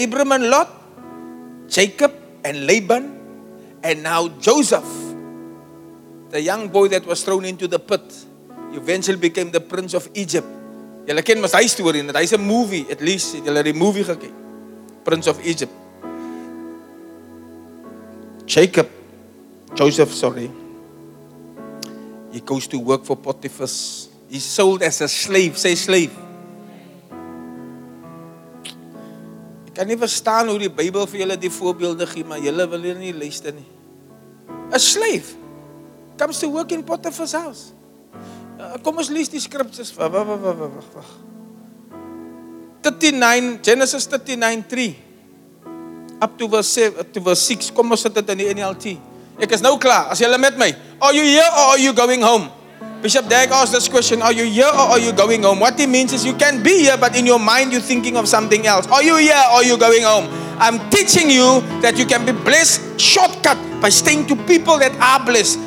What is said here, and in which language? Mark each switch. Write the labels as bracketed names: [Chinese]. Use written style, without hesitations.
[English] Abram and Lot, Jacob and Laban, and now Joseph, the young boy that was thrown into the pit, eventually became the prince of Egypt. [Afrikaans] Julle ken mos daai storie, dit is 'n movie, at least het julle die movie geken. Prince of Egypt. [English] Joseph, he goes to work for Potiphar. He's sold as a slave, say slave. [Afrikaans] Ek kan nie verstaan hoe die Bybel vir julle die voorbeelde gee, maar julle wil hier nie luister nie. [English] A slave comes to work in Potiphar's house. [Afrikaans] Kom ons lees die skriftes. Wag. [English] 39, Genesis 39:3 up to verse 7, to verse 6. [Afrikaans] Kom ons sit dit in die NLT. Ek is nou klaar. As julle met my, [English] are you here or are you going home? Bishop Dag asked this question, are you here or are you going home? What he means is you can be here, but in your mind you're thinking of something else. Are you here or are you going home? I'm teaching you that you can be blessed shortcut by staying to people that are blessed.